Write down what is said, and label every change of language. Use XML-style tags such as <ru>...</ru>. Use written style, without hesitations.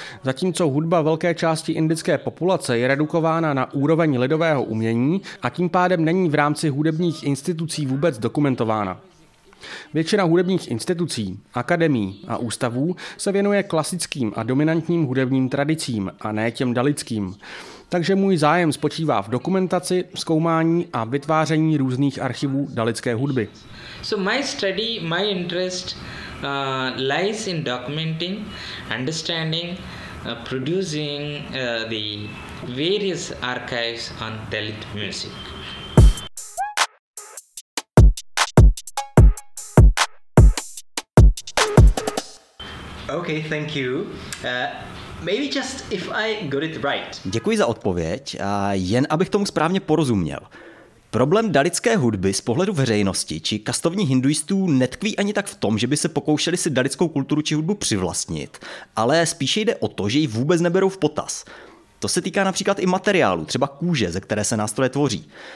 <cs>Zatímco hudba velké části indické populace je redukována na úroveň lidového umění a tím pádem není v rámci hudebních institucí vůbec dokumentována. Většina hudebních institucí, akademií a ústavů se věnuje klasickým a dominantním hudebním tradicím a ne těm dalitským. Takže můj zájem spočívá v dokumentaci, zkoumání a vytváření různých archivů dalitské hudby.</cs> <en>So my study, my interest lies in documenting, understanding, producing the various archives on Dalit music. Okay, thank you. Maybe just if I got it right.</en> <cs>Děkuji za odpověď a jen abych tomu správně porozuměl. Problém dalitské hudby z pohledu veřejnosti či kastovních hinduistů netkví ani tak v tom, že by se pokoušeli si dalitskou kulturu či hudbu přivlastnit, ale spíše jde o to, že ji vůbec neberou v potaz. To se týká například i materiálu, třeba kůže, ze které se nástroje tvoří.</cs>